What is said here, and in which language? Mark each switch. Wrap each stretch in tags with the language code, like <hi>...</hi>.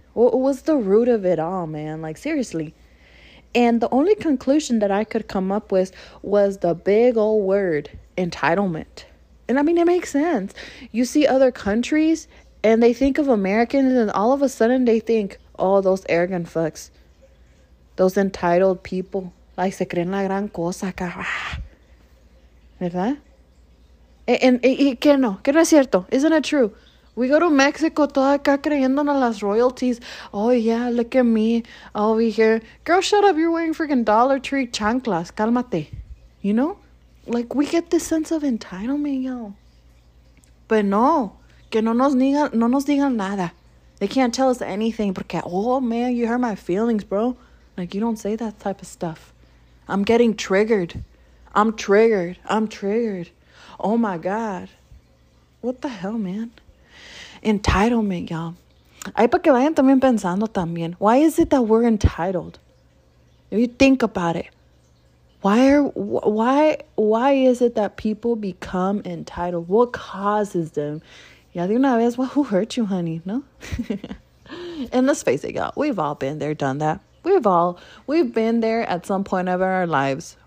<en>What was the root of it all, man? Like, seriously. And the only conclusion that I could come up with was the big old word, entitlement. And I mean, it makes sense. You see other countries and they think of Americans, and all of a sudden they think, oh, those arrogant fucks, those entitled people.</en> <es>Like, se creen la gran cosa, ¿verdad? And que no, que no es cierto.</es> <en>Isn't it true? We go to Mexico,</en> <es>toda acá creyendo en las</es> <en>royalties. Oh, yeah, look at me over here. Girl, shut up. You're wearing freaking Dollar Tree chanclas. Cálmate. You know? Like, we get this sense of entitlement, yo. But no.</en> <es>Que no nos digan nada.</es> <en>They can't tell us anything. Porque, oh, man, you hurt my feelings, bro. Like, you don't say that type of stuff. I'm getting triggered. I'm triggered. Oh, my God. What the hell, man? Entitlement, y'all.</en> <es>Ay, para que vayan también pensando también.</es> <en>Why is it that we're entitled? If you think about it. Why is it that people become entitled? What causes them?</en> <es>Ya de una vez,</es> <en>well, who hurt you, honey? No? And let's face it, y'all. We've all been there, done that. We've been there at some point of our lives.</en>